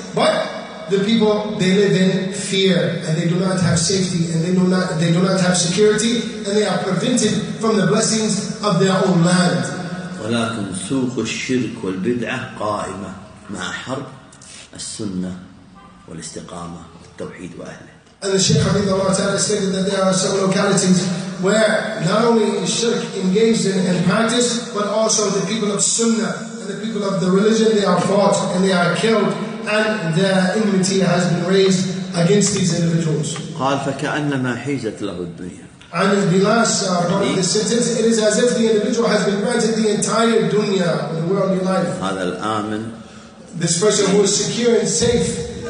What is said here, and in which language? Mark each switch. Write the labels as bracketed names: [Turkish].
[English] But the people, they live in fear, and they do not have safety, and they do not have security, and they are prevented from the blessings of their own land. [Arabic] ولكن سوق الشرك والبدعة قائمة مع حرب. السنة والاستقامة والتوحيد وأهله. [English] And the Shaykh Abid Allah Ta'ala stated that there are some localities where not only is shirk engaged in practice, but also the people of Sunnah and the people of the religion, they are fought and they are killed, and their enmity has been raised against these individuals. [Arabic] قال فكأنما حيزت له الدنيا. [English] And in the last part of the sentence, it is as if the individual has been granted the entire dunya, the worldly life. [Arabic] هذا الآمن. [English] This person who is secure and safe.